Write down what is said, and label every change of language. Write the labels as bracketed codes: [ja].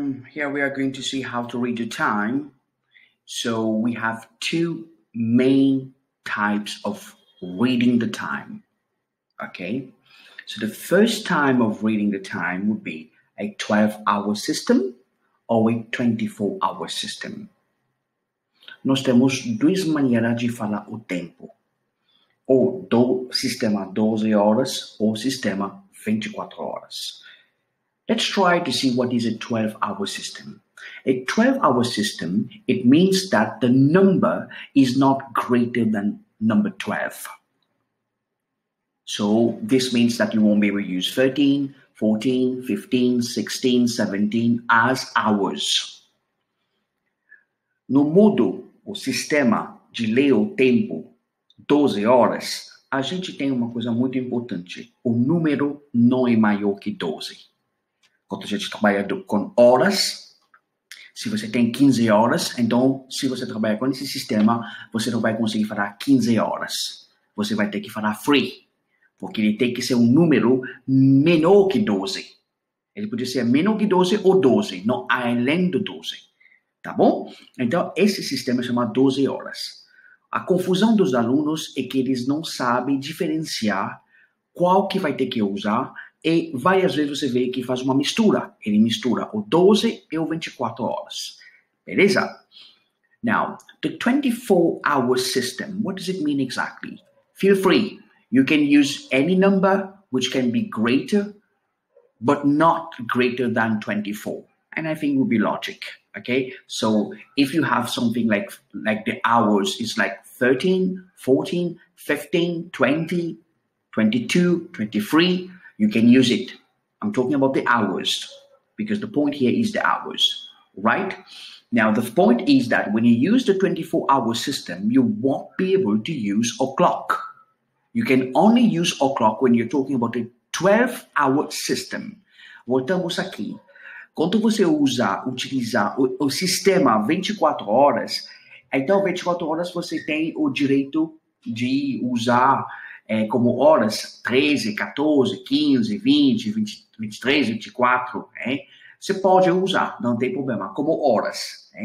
[en] Here we are going to see how to read the time. So we have two main types of reading the time. Okay. So the first time of reading the time would be a 12-hour system or a 24-hour system. [pt] Nós temos duas maneiras de falar o tempo. Ou do sistema 12 horas ou sistema 24 horas. [en] Let's try to see what is a 12-hour system. A 12-hour system, it means that the number is not greater than number 12. So this means that you won't be able to use 13, 14, 15, 16, 17 as hours. [pt] No modo, o sistema de ler o tempo, 12 horas, a gente tem uma coisa muito importante. O número não é maior que 12. Quando a gente trabalha com horas, se você tem 15 horas, então, se você trabalha com esse sistema, você não vai conseguir falar 15 horas. Você vai ter que falar free, porque ele tem que ser um número menor que 12. Ele podia ser menor que 12 ou 12, não além do 12. Tá bom? Então, esse sistema chama 12 horas. A confusão dos alunos é que eles não sabem diferenciar qual que vai ter que usar. E várias vezes você vê que faz uma mistura. Ele mistura o 12 e o 24 horas. Beleza? [en] Now, the 24-hour system, what does it mean exactly? Feel free. You can use any number which can be greater, but not greater than 24. And I think it would be logic. Okay? So, if you have something like the hours, it's like 13, 14, 15, 20, 22, 23... You can use it. I'm talking about the hours, because the point here is the hours, right? Now, the point is that when you use the 24-hour system, you won't be able to use a clock. You can only use a clock when you're talking about a 12-hour system. [pt] Voltamos aqui. Quando você utilizar o sistema 24 horas, então 24 horas você tem o direito de usar... como horas, 13, 14, 15, 20, 23, 24, você pode usar, não tem problema, como horas.